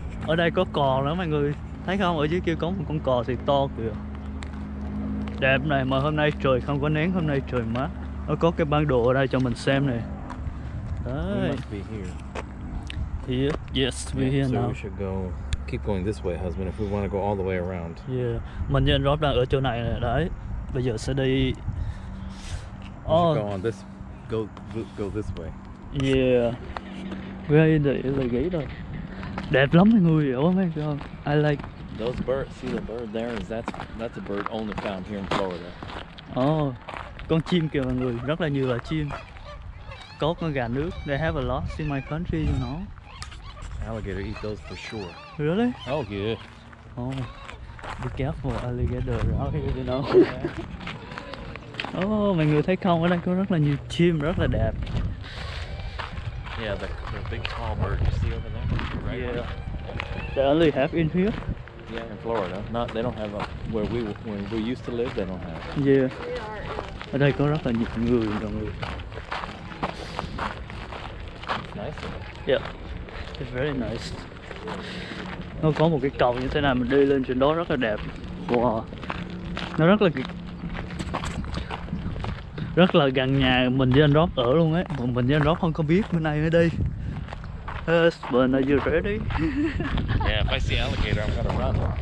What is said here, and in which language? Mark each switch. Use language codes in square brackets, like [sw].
[vi] Ở đây có cò nữa mọi người. Thấy không, ở dưới kia có một con cò thì to kìa. đẹp này, mà hôm nay trời không có nắng, hôm nay trời mát. Nó có cái bản đồ ở đây cho mình xem này. Đấy. [en] We must be here. Here? Yes, we're here so now. So we should go, keep going this way, husband, if we want to go all the way around. [vi] Yeah, mình và anh Rob đang ở chỗ này này, đấy. Bây giờ sẽ đi... [en] We should go on this, go this way. Yeah. Where is the gate rồi? [vi] Đẹp lắm mọi người, [en] oh my god, I like. Those birds, see the bird there, that's a bird only found here in Florida. [vi] Oh, con chim kìa mọi người, rất là nhiều loài chim. Có con gà nước, [en] they have a lot in my country, you know. Alligator eat those for sure. Really? Oh yeah. Oh, be careful alligator out here, you know. [vi] Oh, mọi người thấy không, ở đây có rất là nhiều chim, rất là đẹp. [en] Yeah, the big tall bird you see over there, right? Yeah. They only have in here? Yeah, in Florida. Not, they don't have a, where we used to live, they don't have. [vi] Yeah. Ở đây có rất là nhiều người, mọi người. [en] Nice. Yeah. It's very nice. [vi] Nó có một cái cầu như thế này, mình đi lên trên đó rất là đẹp. Wow. Nó rất là gần nhà mình với anh Rob ở luôn ấy. Mình với anh Rob không có biết bên này mới đi. [en] Husband, are you ready? Yeah, if I see alligator, I'm gonna run.